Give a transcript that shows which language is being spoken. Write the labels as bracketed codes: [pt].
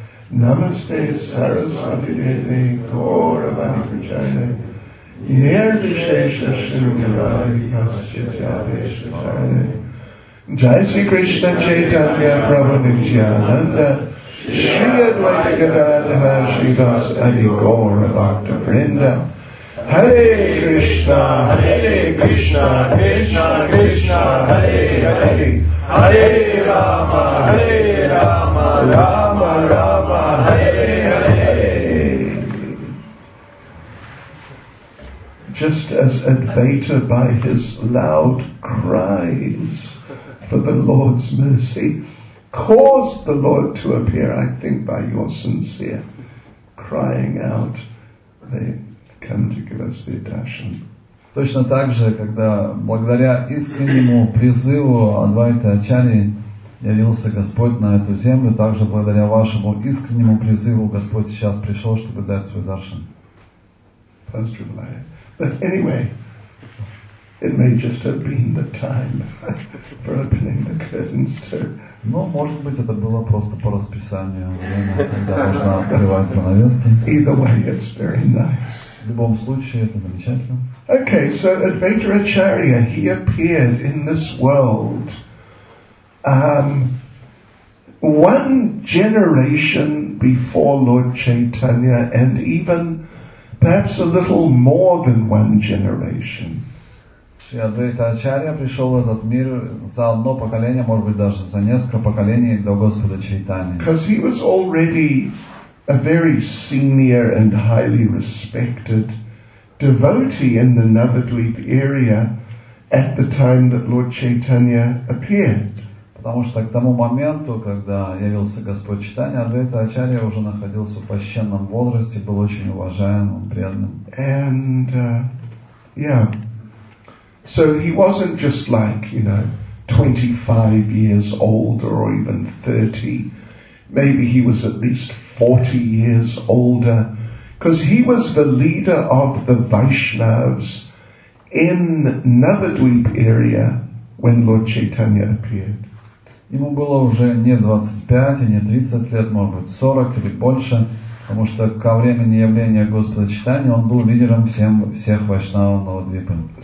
[sa] Намасте Сарасвати Деви Гауравани Праджане Нирвишеша Шривилай Прасчатяве Шриване Джай Си Кришна Чайтанья Прабху Нитьянанда Шри Адвайта Гададхара Шри Дас Ади Гаура Бхакта Вринда Hare Krishna, Hare Krishna, Krishna Krishna, Hare Hare, Hare Rama, Hare Rama, Rama Rama, Hare Hare. [en] Just as Advaita by his loud cries for the Lord's mercy caused the Lord to appear, I think by your sincere crying out, they come to give us the darshan. [ru] Точно так же, когда благодаря искреннему призыву Адвайты Ачарьи явился Господь на эту землю, также благодаря вашему искреннему призыву Господь сейчас пришел, чтобы дать свой даршан. [en] But anyway, it may just have been the time for opening the curtains to. [ru] Но, может быть, это было просто по расписанию время, когда нужно открывать занавески. [en] Either way, it's very nice. [ru] В любом случае, это замечательно. [en] Okay, so Advaita Acharya, he appeared in this world one generation before Lord Chaitanya, and even perhaps a little more than one generation. [ru] Шри Адвайта Ачарья пришел в этот мир за одно поколение, может быть, даже за несколько поколений до Господа Чайтаньи. [en] Because he was already a very senior and highly respected devotee in the Navadvip area at the time that Lord Chaitanya appeared. [ru] Потому что к тому моменту, когда явился Господь Чайтанья, Адвайта Ачарья уже находился в почтенном возрасте, был очень уважаемым, преданным. [en] And, So he wasn't just like, 25 years older or even 30. Maybe he was at least 40 years older. Because he was the leader of the Vaishnavas in Navadvip area when Lord Chaitanya appeared. [ru] Ему было уже не 25, не 30 лет, может быть 40 или больше. Потому что ко времени явления Господа Чайтаньи он был лидером всех вайшнава Навадвипа.